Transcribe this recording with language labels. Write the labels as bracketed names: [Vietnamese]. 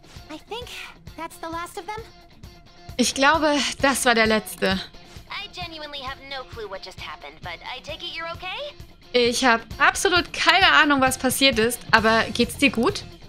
[English] I think that's the last of them. [German] Ich glaube, das war der letzte. [English] I genuinely have no clue what just happened, but I take it you're okay? [German] Ich habe absolut keine Ahnung, was passiert ist, aber geht's dir gut?